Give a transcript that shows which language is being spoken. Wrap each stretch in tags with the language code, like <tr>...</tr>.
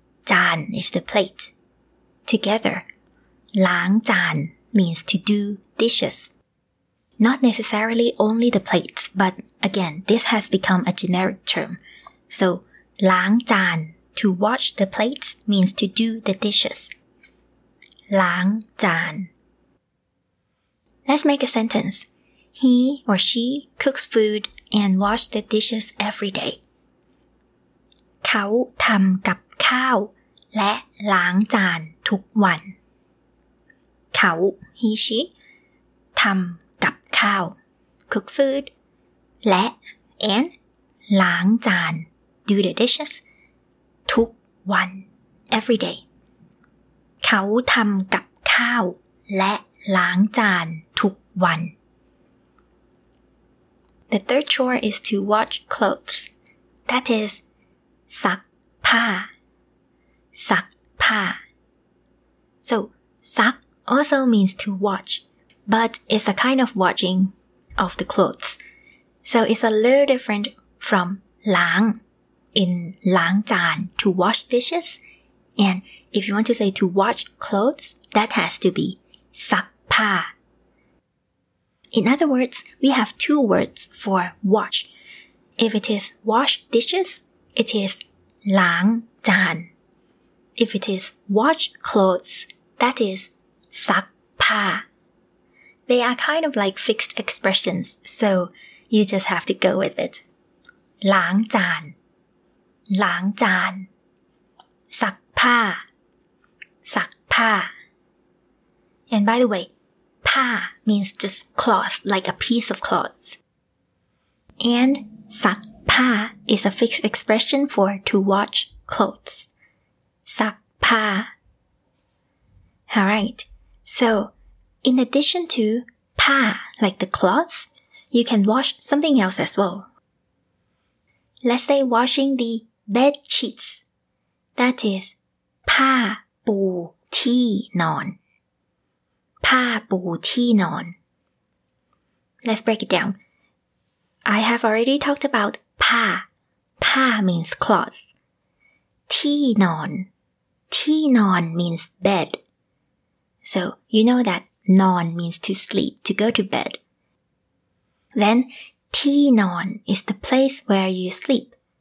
<en>จาน is the plate.Together,</en> <th>ล้างจาน,</th> <en>means to do dishes. Not necessarily only the plates, but again, this has become a generic term. So, ล้างจาน, to wash the plates means to do the dishes. ล้างจาน. Let's make a sentence. He or she cooks food and wash the dishes every day.</en> <th>เขาทำกับข้าวและล้างจานทุกวัน</th> <en>เขา he she ทำกับข้าว cook food และ and ล้างจาน do the dishes ทุกวัน every day</en> <th>เขาทำกับข้าวและล้างจานทุกวัน</th> <en>The third chore is to wash clothes that is ซักผ้า</en> <th>ซักผ้า</th> <en>So, suck also means to wash, but it's a kind of washing of the clothes. So it's a little different from ล้าง in ล้างจาน to wash dishes. And if you want to say to wash clothes, that has to be ซักผ้า. In other words, we have two words for wash. If it is wash dishes, it is ล้างจาน. If it is wash clothes, that is ซักผ้า. They are kind of like fixed expressions, so you just have to go with it.</en> <th>ล้างจาน, ล้างจาน, ซักผ้า, ซักผ้า.</th> <en>And by the way, ผ้า means just cloth, like a piece of cloth. And ซักผ้า is a fixed expression for to wash clothes.</en> <th>ซักผ้า</th> <en>Alright, so in addition to ผ้า, like the cloth, you can wash something else as well. Let's say washing the bed sheets. That is</en> <th>ผ้าปูที่นอน ผ้าปูที่นอน</th> <en>Let's break it down. I have already talked about ผ้า. ผ้า means cloth. ที่นอนที่นอน means bed. So, you know that นอน means to sleep, to go to bed. Then, ที่นอน is the place where you sleep.</en>